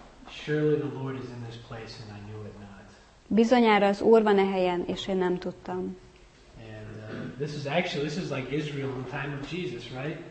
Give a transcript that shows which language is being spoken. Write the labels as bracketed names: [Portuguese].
[English] Surely the Lord is in this place and I knew it not. [Hungarian] Bizonyára az Úr van e helyen, és én nem tudtam. [English] This is like Israel in time of Jesus, right?